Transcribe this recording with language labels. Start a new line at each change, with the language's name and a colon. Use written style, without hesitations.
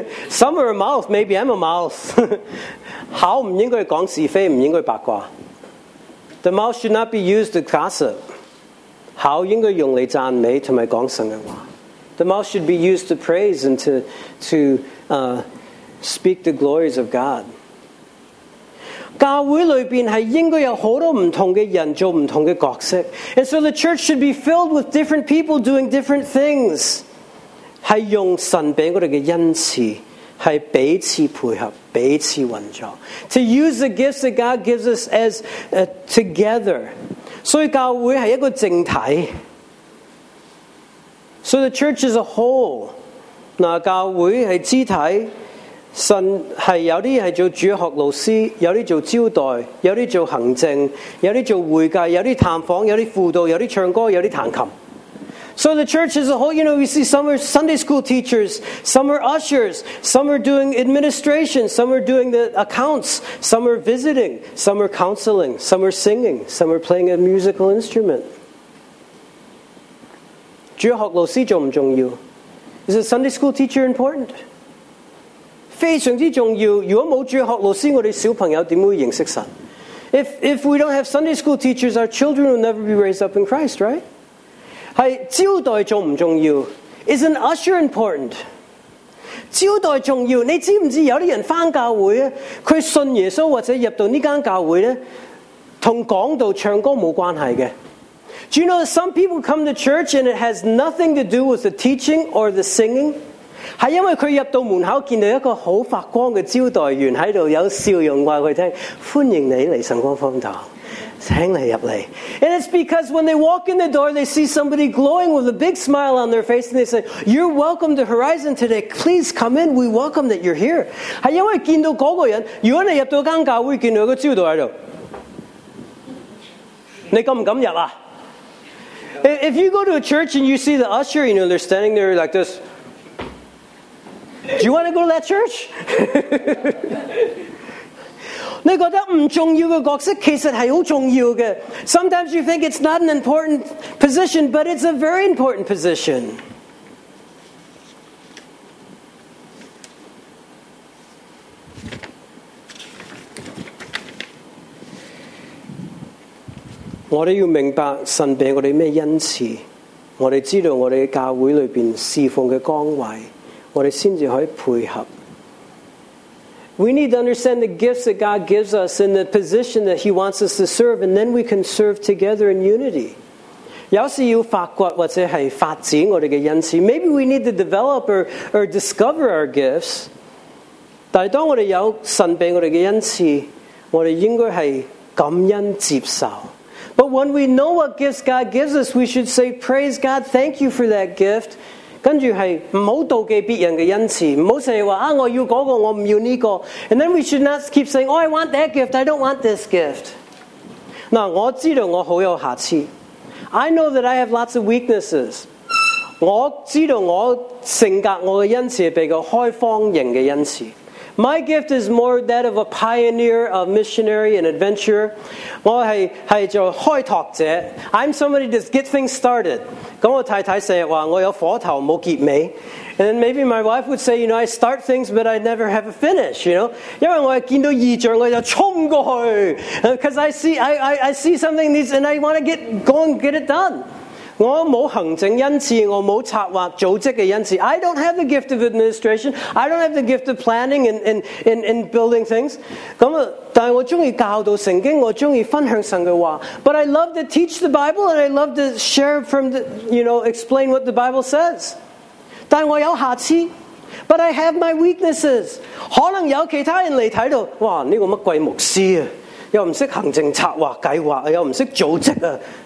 English: Some are a mouth, maybe I'm a mouth.
Chinese: 口不应该讲是非，不应该八卦。
English: The mouth should not be used to gossip.
Chinese: 口应该用来赞美和讲神的话。
English: The mouth should be used to praise and to speak the glories of God.
Chinese: 教会里面是应该有很多不同的人做不同的角色。
English: And so the church should be filled with different people doing different things.
Chinese: 是用神给我们的恩赐。是彼此配合，彼此运作。
English: To use the gifts that God gives us as together.
Chinese: 所以教会是一个整体。
English: So the church is a whole.
Chinese: 那教会是肢体，神是有些是做主学老师，有些做招待，有些做行政，有些做会计，有些探访，有些辅导，有些唱歌，有些弹琴。
English: So the church as a whole, you know, we see some are Sunday school teachers, some are ushers, some are doing administration, some are doing the accounts, some are visiting, some are counseling, some are singing, some are playing a musical instrument.
Chinese: 主要学老师重不重要？
English: Is a Sunday school teacher important?
Chinese: 非常之重要。如果没有主要学老师，我们小朋友怎么会认识神？
English: If we don't have Sunday school teachers, our children will never be raised up in Christ, right?
Chinese: 是招待重不重要？
English: Is an usher important?
Chinese: 招待重要。你知不知道有些人回教会，他信耶稣或者入到这间教会，跟讲道唱歌没关系的。
English: Do you know that some people come to church and it has nothing to do with the teaching or the singing?
Chinese: 是因为他入到门口见到一个好发光的招待员在那里有笑容告诉他欢迎你来神光方堂请你入来
English: And it's because when they walk in the door they see somebody glowing with a big smile on their face and they say you're welcome to Horizon today please come in we welcome that you're here
Chinese: 是因为见到那个人如果你入到一间教会见到一个招待员你敢不敢入啊
English: If you go to a church and you see the usher you know they're standing there like thisDo you want to go to that church?
Chinese: 你觉得不重要的角色其实是很重要的。
English: Sometimes you think it's not an important position, but it's a very important position.
Chinese: 我们要明白神给我们什么恩赐，我们知道我们教会里面侍奉的岗位。
English: We need to understand the gifts that God gives us and the position that He wants us to serve, and then we can serve together in unity. Maybe we need to develop or discover our gifts. But when we know what gifts God gives us, we should say, Praise God, thank you for that gift.
Chinese: 跟住系唔好妒忌别人嘅恩赐，唔好成日话啊我要嗰、那个，我唔要呢、这个。
English: And then we should not keep saying, "Oh, I want that gift. I don't want this gift."
Chinese: 嗱，我知道我好有瑕疵。
English: I know that I have lots of weaknesses.
Chinese: 我知道我性格我嘅恩赐系比较开放型嘅恩赐。
English: My gift is more that of a pioneer, a missionary, an adventurer.
Chinese: 我是做开拓者。
English: I'm somebody that's get things started.
Chinese: 我太太成日说我有火头没结尾。
English: And then maybe my wife would say, you know, I start things, but I never have a finish, you know.
Chinese: 因为我见到异象我就冲过去。
English: Because I see something needs, and I want to get going, get it done.
Chinese: 我没有行政恩赐，我没有策划组织的恩赐。
English: I don't have the gift of administration. I don't have the gift of planning and building things.
Chinese: 但我喜欢教导圣经，我喜欢分享神的话。
English: But I love to teach the Bible and I love to share from the, you know, explain what the Bible says.
Chinese: 但我有瑕疵。
English: But I have my weaknesses.
Chinese: 可能有其他人来看到，哇，这个什么鬼牧师啊，又不懂行政策划计划，又不懂组织啊。